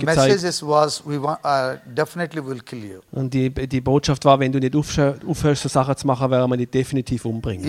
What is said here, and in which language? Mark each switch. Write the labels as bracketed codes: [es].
[en] the [de] gezeigt. [en] The message was, definitely will kill you. [de] Und die Botschaft war, wenn du nicht aufhörst, so Sachen zu machen, werden wir dich definitiv umbringen.